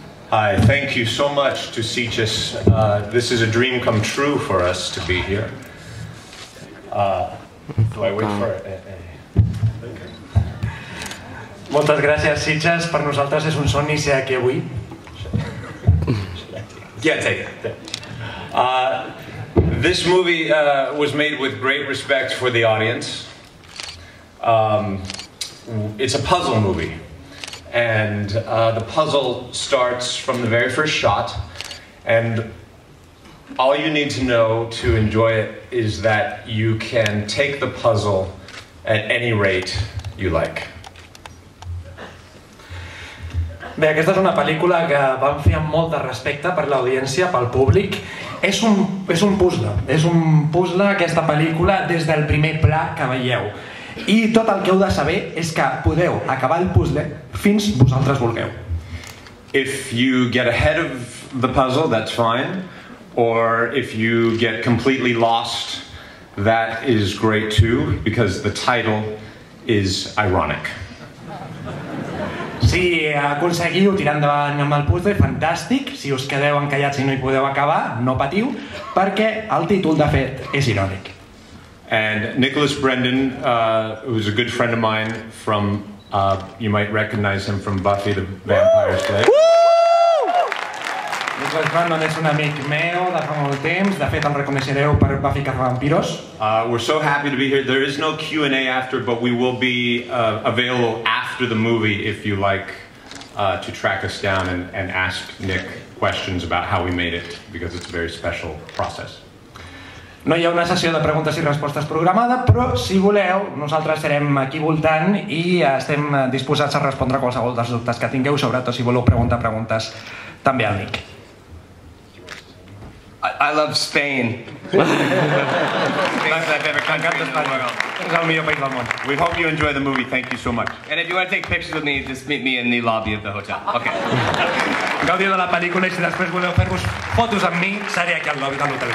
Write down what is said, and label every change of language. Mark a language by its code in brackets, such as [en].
[en] Hi, thank you so much to Sitges. This is a dream come true for us to be here. Do I wait for it? [ca] Moltes gràcies, Sitges. Per nosaltres és un somni ser aquí avui. [en] Yeah, take it. This movie was made with great respect for the audience. It's a puzzle movie. And the puzzle starts from the very first shot, and all you need to know to enjoy it is that you can take the puzzle at any rate you like. [ca] Bé, aquesta és una pel·lícula que vam fer amb molt de respecte per l'audiència, pel públic. És un puzzle aquesta pel·lícula des del primer pla que veieu. I tot el que heu de saber és que podeu acabar el puzzle fins vosaltres vulgueu. [en] If you get ahead of the puzzle, that's fine. Or if you get completely lost, that is great too, because the title is ironic. [ca] Si aconseguiu tirar endavant amb el puzzle, fantàstic. Si us quedeu encallats i no hi podeu acabar, no patiu, perquè el títol, de fet, és irònic. [en] And Nicholas Brendon, who's a good friend of mine from You might recognize him from Buffy the Vampire Slayer. [ca] Doncs Brendon és un amic meu de fa molt temps. De fet, el reconeixereu per Buffy Cazavampiros. [en] We're so happy to be here. There is no Q&A after, but we will be available after the movie if you like to track us down and ask Nick questions about how we made it, because it's a very special process. [ca] No hi ha una sessió de preguntes i respostes programada, però si voleu, nosaltres serem aquí voltant i estem disposats a respondre a qualsevol dels dubtes que tingueu, sobretot si voleu preguntar preguntes també al Nick. [en] I love Spain. It's the best country in the world. We hope you enjoy the movie. Thank you so much. And if you want to take pictures with me, just meet me in the lobby of the hotel. Okay. [ca] Gaudiu de la pel·lícula i si després voleu fer-vos fotos amb mi, seré aquí al lobby de l'hotel.